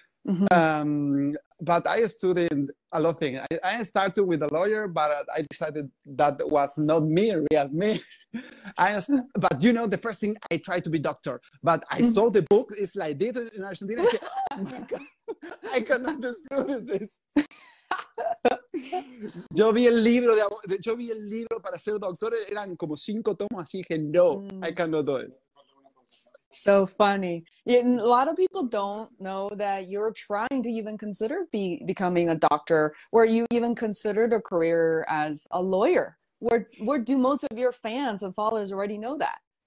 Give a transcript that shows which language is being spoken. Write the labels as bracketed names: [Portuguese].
[English] But I studied a lot of things. I started with a lawyer, but I decided that was not me, real me. But you know, the first thing, I tried to be doctor, but I saw the book, it's like this in Argentina, I said, oh my God, I cannot understand this. [Spanish] Yo vi el libro para ser doctor, eran como 5 tomos, así que no, [English] I cannot do it. So funny. A lot of people don't know that you're trying to even consider becoming a doctor, or you even considered a career as a lawyer. Where do most of your fans and followers already know that?